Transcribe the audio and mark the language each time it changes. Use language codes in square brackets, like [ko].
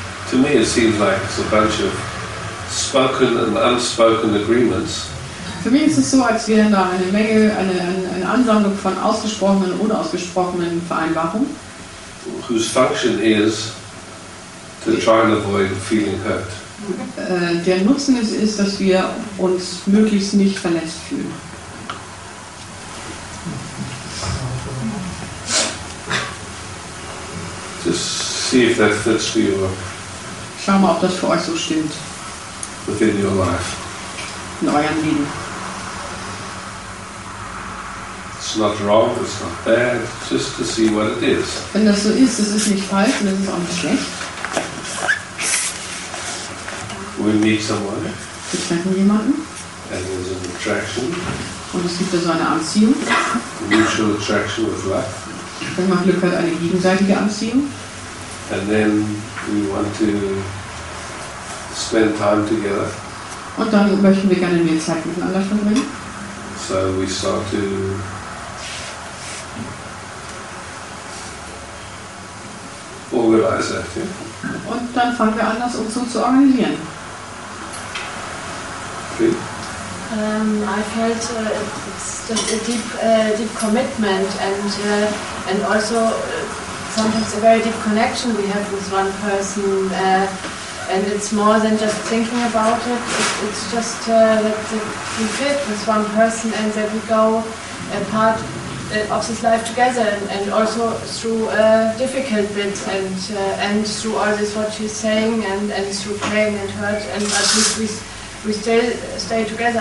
[en] To me it seems like it's a bunch of spoken and unspoken agreements. [de] Für mich ist es so, als wären da eine Menge, eine Ansammlung von ausgesprochenen und unausgesprochenen Vereinbarungen. [en] Whose function is to try and avoid feeling hurt. [de] Der Nutzen ist, dass wir uns möglichst nicht verletzt fühlen. [en] Just see if that fits for your. [de] Schau mal, ob das für euch so stimmt. [en] Within your life. [de] In eurem Leben. [en] It's not wrong, it's not bad, just to see what it is. [de] Wenn das so ist, es ist nicht falsch, dann ist es auch nicht schlecht. [en] We meet someone. [de] Wir treffen jemanden. [en] And there's an attraction. [de] Und es gibt da so eine Anziehung. [en] Mutual attraction with luck. [de] Wenn man Glück hat, eine gegenseitige Anziehung. [en] And then we want to spend time together. [de] Und dann möchten wir gerne mehr Zeit miteinander verbringen. [en] So we start to organize that, yeah? [de] Und dann fangen wir an, das so zu organisieren. [en] I felt just a deep commitment and also sometimes a very deep connection we have with one person. And it's more than just thinking about it. It's just that we fit with one person and that we go a part of this life together, and also through difficult bits and through all this what she's saying and through pain and hurt, and at least we stay together.